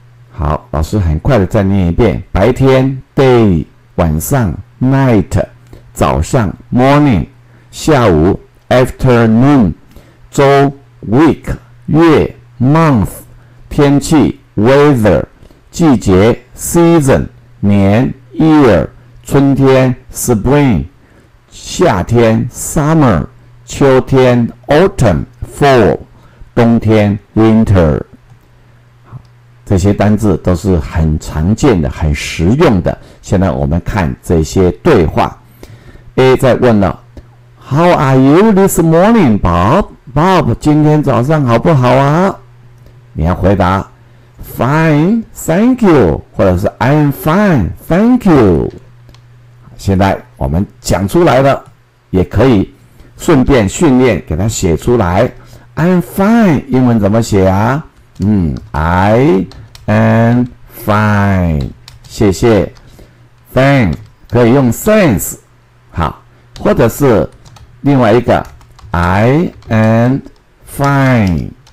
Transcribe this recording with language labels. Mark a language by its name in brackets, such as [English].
[Chinese] 好，老师很快的再念一遍，白天 Day， 晚上 Night， 早上 Morning， 下午 Afternoon， 周 Week， 月 Month， 天气 Weather， 季节Season 年 year 春天 spring 夏天 summer 秋天 autumn fall 冬天 winter。这些单字都是很常见的，很实用的。现在我们看这些对话。 A 在问了 [English] How are you this morning Bob [Chinese] 今天早上好不好啊？你要回答 [English] Fine, thank you, [Chinese] 或者是 [English] I'm fine, thank you. [Chinese] 现在我们讲出来了，也可以顺便训练给它写出来。 [English] I'm fine, [Chinese] 英文怎么写啊？ [English] I am fine, [Chinese] 谢谢。 Thank, 可以用 thanks, 好，或者是另外一个 [English] I am fine.